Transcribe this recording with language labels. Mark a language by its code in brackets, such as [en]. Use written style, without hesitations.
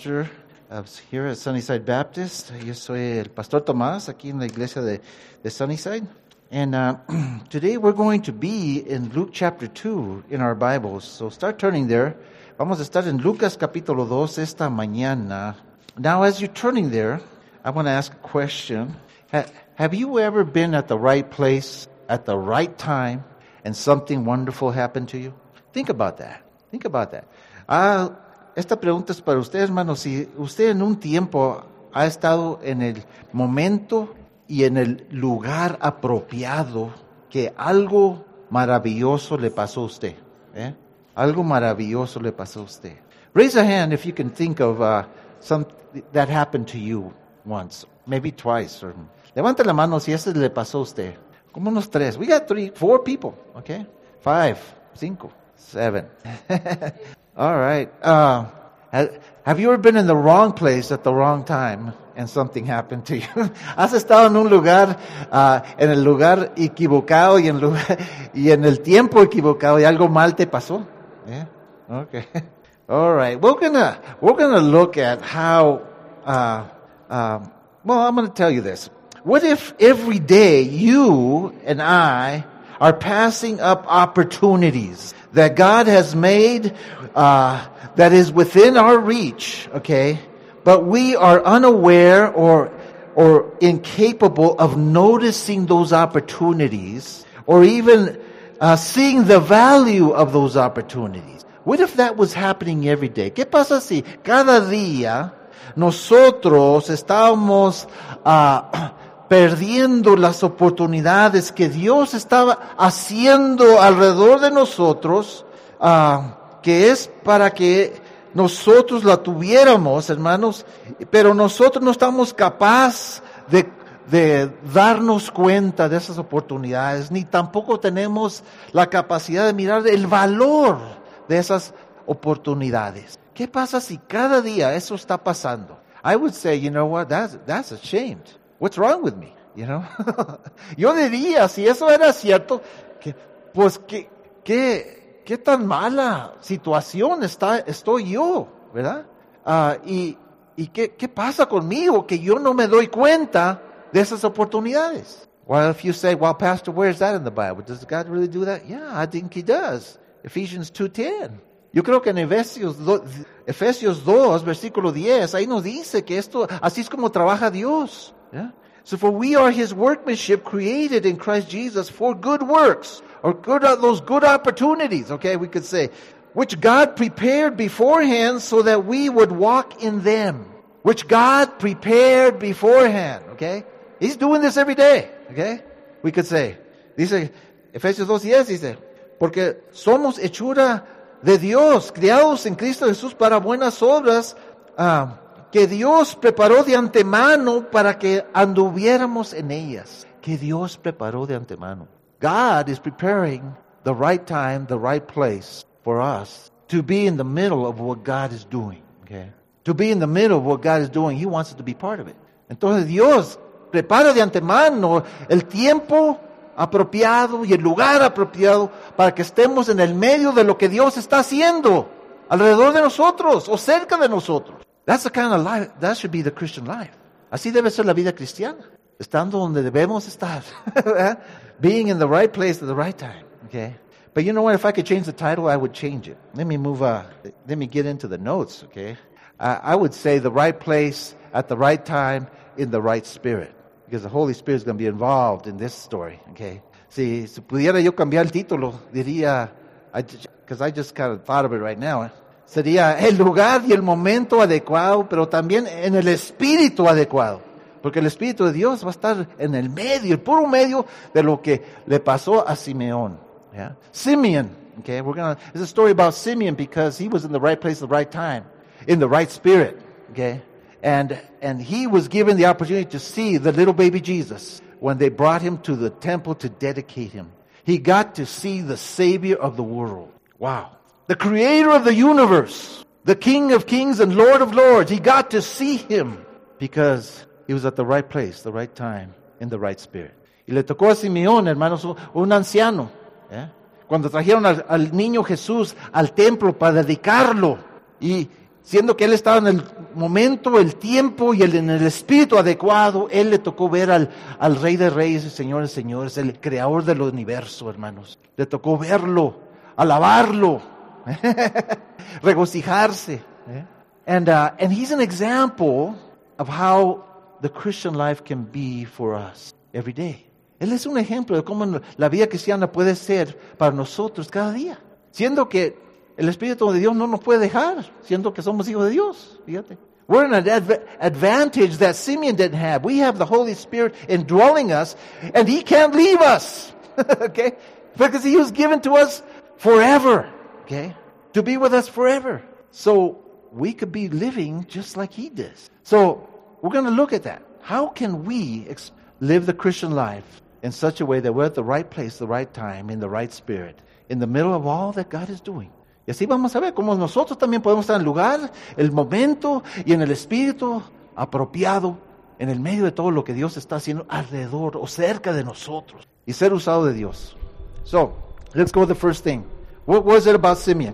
[en] Here at Sunnyside Baptist, [es] yo soy el Pastor Tomás aquí en la iglesia de Sunnyside. [en] And today we're going to be in Luke chapter 2 in our Bibles. So start turning there. [es] Vamos a estar en Lucas capítulo 2 esta mañana. [en] Now as you're turning there, I want to ask a question. Have you ever been at the right place at the right time and something wonderful happened to you? Think about that. [es] Esta pregunta es para usted, hermano. Si usted en un tiempo ha estado en el momento y en el lugar apropiado que algo maravilloso le pasó a usted. ¿Eh? Algo maravilloso le pasó a usted. [en] Raise a hand if you can think of something that happened to you once, maybe twice. Or... [es] Levante la mano si ese le pasó a usted. Como unos tres. [en] We got three, four people. Okay. Five, cinco, seven. All right. Have you ever been in the wrong place at the wrong time and something happened to you? [es] ¿Has estado en un lugar, en el lugar equivocado y en, lugar, y en el tiempo equivocado y algo mal te pasó? [en] Yeah. Okay. All right. We're gonna look at how, I'm going to tell you this. What if every day you and I are passing up opportunities that God has made that is within our reach, okay? But we are unaware or incapable of noticing those opportunities or even seeing the value of those opportunities. What if that was happening every day? [es] ¿Qué pasa si cada día nosotros estamos perdiendo las oportunidades que Dios estaba haciendo alrededor de nosotros, que es para que nosotros la tuviéramos, hermanos, pero nosotros no estamos capaces de darnos cuenta de esas oportunidades, ni tampoco tenemos la capacidad de mirar el valor de esas oportunidades? ¿Qué pasa si cada día eso está pasando? [en] I would say, you know what, that's a shame. What's wrong with me? You know? [es] Yo diría, si eso era cierto, que, pues qué tan mala situación estoy yo, ¿verdad? Y qué pasa conmigo que yo no me doy cuenta de esas oportunidades. [en] Well, if you say, well, Pastor, where is that in the Bible? Does God really do that? Yeah, I think he does. Ephesians 2:10. [es] Yo creo que en Efesios 2, versículo 10, ahí nos dice que esto, así es como trabaja Dios. [en] Yeah. So for we are his workmanship created in Christ Jesus for good works, or good, those good opportunities, okay, we could say, which God prepared beforehand so that we would walk in them. Which God prepared beforehand, okay? He's doing this every day, okay? We could say, [es] dice, Efesios 2:10, dice, porque somos hechura de Dios, criados en Cristo Jesús para buenas obras, que Dios preparó de antemano para que anduviéramos en ellas. Que Dios preparó de antemano. [en] God is preparing the right time, the right place for us to be in the middle of what God is doing. Okay? To be in the middle of what God is doing. He wants us to be part of it. [es] Entonces Dios prepara de antemano el tiempo apropiado y el lugar apropiado para que estemos en el medio de lo que Dios está haciendo alrededor de nosotros o cerca de nosotros. [en] That's the kind of life, that should be the Christian life. [es] Así debe ser la vida cristiana. Estando donde debemos estar. [en] Being in the right place at the right time. Okay. But you know what, if I could change the title, I would change it. Let me get into the notes, okay. I would say the right place at the right time in the right spirit. Because the Holy Spirit is going to be involved in this story, okay. [es] Si pudiera yo cambiar el título, diría, [en] because I just kind of thought of it right now. [es] Sería el lugar y el momento adecuado, pero también en el espíritu adecuado. Porque el Espíritu de Dios va a estar en el medio, el puro medio de lo que le pasó a Simeón. [en] Yeah? Simeon, okay, it's a story about Simeon because he was in the right place at the right time, in the right spirit, okay? And he was given the opportunity to see the little baby Jesus when they brought him to the temple to dedicate him. He got to see the Savior of the world. Wow. The creator of the universe, the King of kings and Lord of lords, he got to see him because he was at the right place, the right time, in the right spirit. [es] Y le tocó a Simeón, hermanos, un anciano. ¿Eh? Cuando trajeron al niño Jesús al templo para dedicarlo. Y, siendo que él estaba en el momento, el tiempo y en el espíritu adecuado, él le tocó ver al Rey de Reyes, el Señor de Señores, el Creador del Universo, hermanos. Le tocó verlo, alabarlo, regocijarse. [en] And he's an example of how the Christian life can be for us every day. [es] Él es un ejemplo de cómo la vida cristiana puede ser para nosotros cada día. Siendo que el Espíritu de Dios no nos puede dejar, siendo que somos hijos de Dios. Fíjate. [en] We're in an advantage that Simeon didn't have. We have the Holy Spirit indwelling us, and he can't leave us. Okay? Because he was given to us forever. Okay? To be with us forever. So we could be living just like he did. So we're going to look at that. How can we live the Christian life in such a way that we're at the right place, the right time, in the right spirit, in the middle of all that God is doing? [es] Y así vamos a ver cómo nosotros también podemos estar en el lugar, el momento y en el espíritu apropiado en el medio de todo lo que Dios está haciendo alrededor o cerca de nosotros y ser usado de Dios. [en] So, let's go to the first thing. What was it about Simeon?